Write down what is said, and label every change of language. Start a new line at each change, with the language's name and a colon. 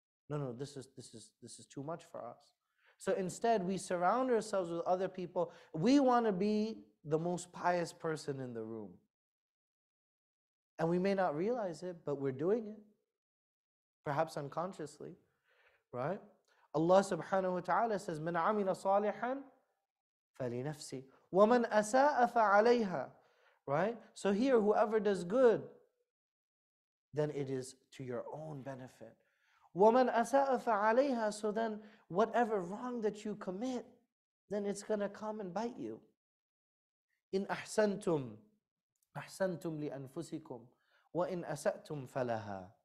English: No, this is too much for us. So instead, we surround ourselves with other people. We want to be the most pious person in the room. And we may not realize it, but we're doing it. Perhaps unconsciously, right? Allah subhanahu wa ta'ala says,
Arabic: مَنْ عَمِنَ صَالِحًا فَلِنَفْسِي وَمَنْ أَسَاءَ فَعَلَيْهَا.
English: Right? So here, whoever does good, then it is to your own benefit.
Arabic: وَمَنْ أَسَاءَ فَعَلَيْهَا.
English: So then, whatever wrong that you commit, then it's going to come and bite you.
Arabic: إِنْ أَحْسَنْتُمْ أَحْسَنْتُمْ لِأَنفُسِكُمْ وَإِنْ أَسَأْتُمْ فَلَهَا.